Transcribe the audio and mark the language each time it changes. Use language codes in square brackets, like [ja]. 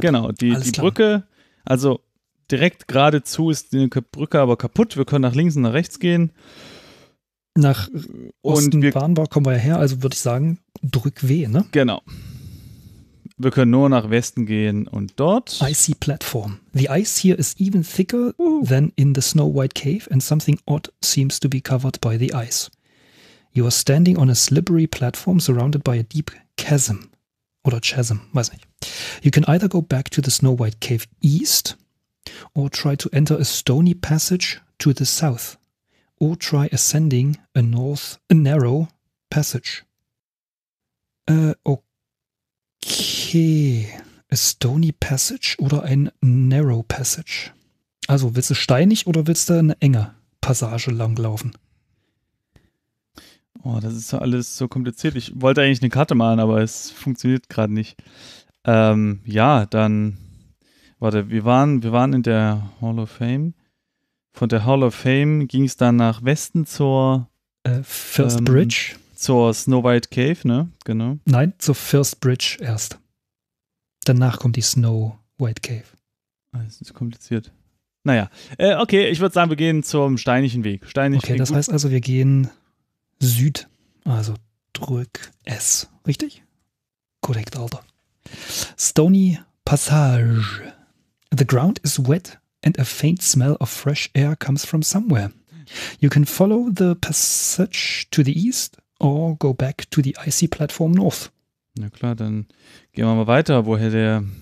[de] Genau, die Brücke, also direkt geradezu ist die Brücke aber kaputt. Wir können nach links und nach rechts gehen. Nach Osten Bahnbau kommen wir ja her, also würde ich sagen, drück W, ne? Genau. Wir können nur nach Westen gehen und dort. [en] Icy platform. The ice here is even thicker than in the Snow White Cave and something odd seems to be covered by the ice. You are standing on a slippery platform surrounded by a deep chasm. [de] Oder chasm, weiß nicht. [en] You can either go back to the Snow White Cave east or try to enter a stony passage to the south or try ascending a narrow passage. [de] Okay. Okay, [en] a stony passage [de] oder ein narrow passage? Also willst du steinig oder willst du eine enge Passage langlaufen? Oh, das ist alles so kompliziert. Ich wollte eigentlich eine Karte malen, aber es funktioniert gerade nicht. Ja, dann warte, wir waren in der Hall of Fame. Von der Hall of Fame ging es dann nach Westen zur First Bridge. Zur Snow White Cave, ne? Genau. Nein, zur First Bridge erst. Danach kommt die Snow White Cave. Das ist kompliziert. Naja, okay, ich würde sagen, wir gehen zum steinigen Weg. Steinig okay, Weg das gut. Heißt also, wir gehen Süd, also drück S, richtig? Korrekt, Alter. Stony Passage. [en] The ground is wet and a faint smell of fresh air comes from somewhere. You can follow the passage to the east or go back to the icy platform north. [de] Na klar, dann gehen wir mal weiter, woher der